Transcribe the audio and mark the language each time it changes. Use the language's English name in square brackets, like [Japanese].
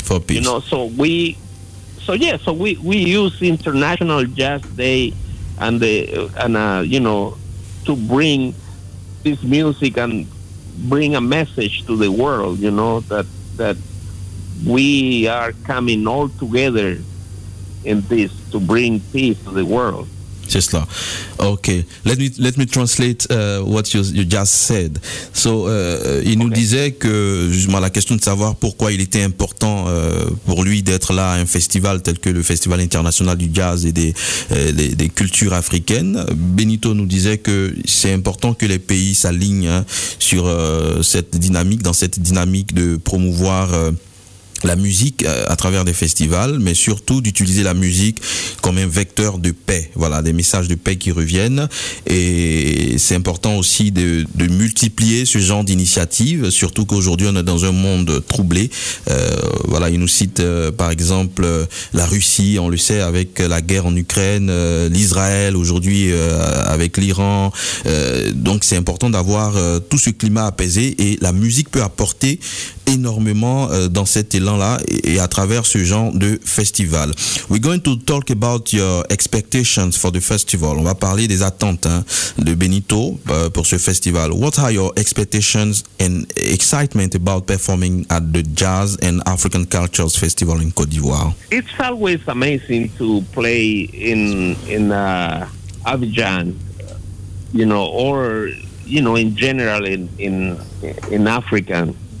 [English] You know, so we use International Jazz Day and to bring this music and bring a message to the world, you know, that we are coming all together in this to bring peace to the world. [French] C'est cela. [English] Okay, let me translate what you just said. [French] So, il nous disait que justement la question de savoir pourquoi il était important pour lui d'être là à un festival tel que le Festival International du Jazz et des cultures africaines. Benito nous disait que c'est important que les pays s'alignent sur cette dynamique de promouvoir la musique à travers des festivals, mais surtout d'utiliser la musique comme un vecteur de paix. Voilà, des messages de paix qui reviennent. Et c'est important aussi de multiplier ce genre d'initiatives, surtout qu'aujourd'hui on est dans un monde troublé. Voilà, il nous cite par exemple la Russie, on le sait, avec la guerre en Ukraine, l'Israël aujourd'hui avec l'Iran. Donc c'est important d'avoir tout ce climat apaisé, et la musique peut apporter énormément dans cet élan-là et à travers ce genre de festival. [English] We're going to talk about your expectations for the festival. [French] On va parler des attentes de Benito pour ce festival. [English] What are your expectations and excitement about performing at the Jazz and African Cultures Festival in Côte d'Ivoire? It's always amazing to play in Abidjan, you know, or, you know, in general in Africa.